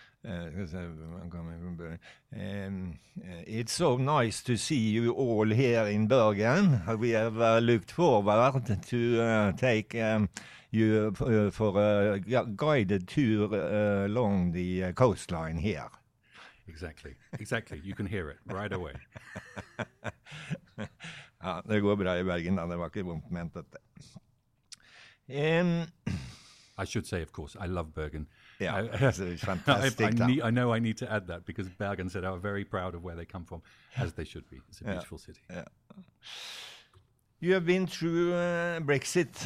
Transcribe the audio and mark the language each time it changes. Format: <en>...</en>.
<en>Because I'm coming from Bergen. It's so nice to see you all here in Bergen. We have looked forward to take you for a guided tour along the coastline here. Exactly, exactly. You can hear it right away.</en> <no>Ja, det går bra I Bergen da. Det var ikke vondt ment dette.</no> <en>I should say, of course, I love Bergen. Yeah, it's fantastic. I know I need to add that because Bergen said they are very proud of where they come from, as they should be. It's a beautiful city. Yeah. You have been through Brexit.</en>